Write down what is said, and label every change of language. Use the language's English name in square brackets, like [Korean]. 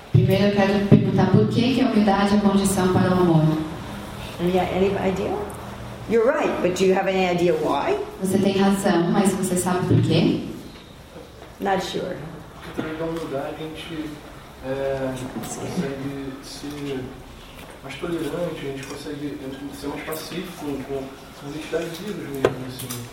[Portuguese] Primeiro eu quero perguntar por que a humildade é a condição para o amor. [English] Yeah, any idea? You're right, but do you have any idea why? [Portuguese] Você tem razão, mas você sabe por quê? [English] Not sure. [Portuguese] Através da humildade a gente consegue ser mais tolerante, a gente consegue ser mais pacífico com as entidades vivas mesmo. Assim.